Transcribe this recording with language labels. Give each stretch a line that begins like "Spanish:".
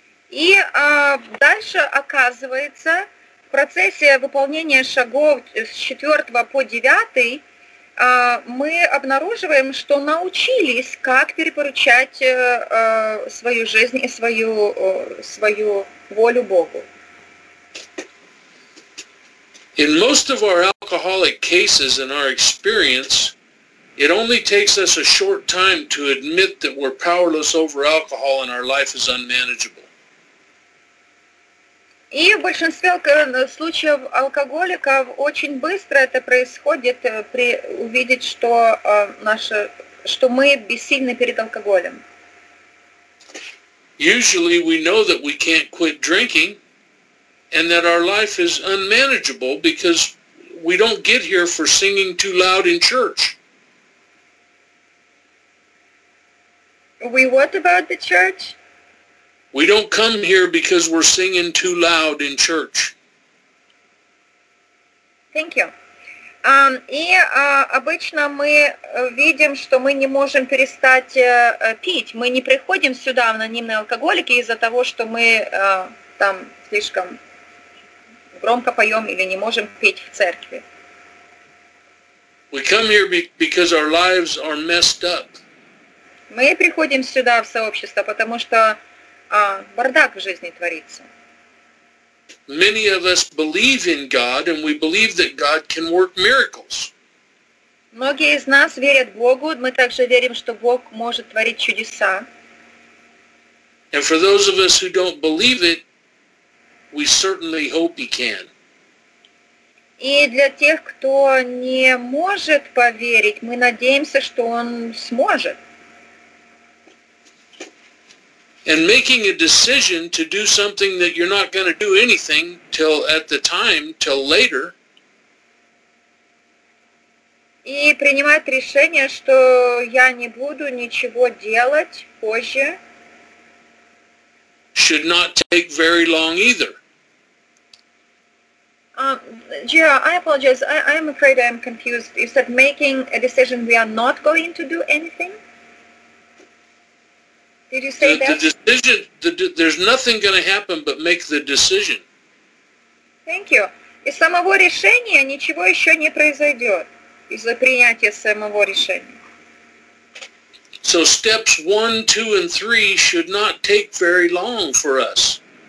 Russian: И дальше оказывается, в процессе выполнения шагов с 4 по 9, мы обнаруживаем, что научились, как перепоручать свою жизнь и свою волю Богу.
English: In most of our alcoholic cases, in our experience, it only takes us a short time to admit that we're powerless over alcohol and our life is unmanageable.
Russian: И в большинстве случаев алкоголиков очень быстро это происходит при увидеть, что наше, что мы бессильны перед алкоголем.
English: Usually we know that we can't quit drinking. And that our life is unmanageable because we don't get here for singing too loud in church. We what about the church? We don't come here because we're singing too loud in church. Thank you.
Russian: Обычно мы видим, что мы не можем перестать пить. Мы не приходим сюда, в анонимные алкоголики, из-за того, что мы там слишком... громко поем или не можем петь в церкви.
English: We come here because our lives are messed up.
Russian: Мы приходим сюда в сообщество, потому что бардак в жизни творится.
English: many of us believe in God, and we believe that God can work miracles.
Russian: Многие из нас верят Богу, мы также верим, что Бог может творить чудеса.
English: And for those of us who don't believe it, we certainly hope He can.
Russian: И для тех, кто не может поверить, мы надеемся, что Он сможет.
English: And making a decision to do something that you're not going to do anything till at the time, till later.
Russian: И принимать решение, что я не буду ничего делать позже.
English: Should not take very long either. Gia, I apologize. I'm afraid I'm confused. You said making a decision we are not going to do anything? Did you say that? The decision, there's nothing going to happen but make the decision. Thank you.
Russian: Из самого решения ничего еще не произойдет. Из-за принятия самого решения.
English: So steps 1, 2, and 3 should not take very long for us.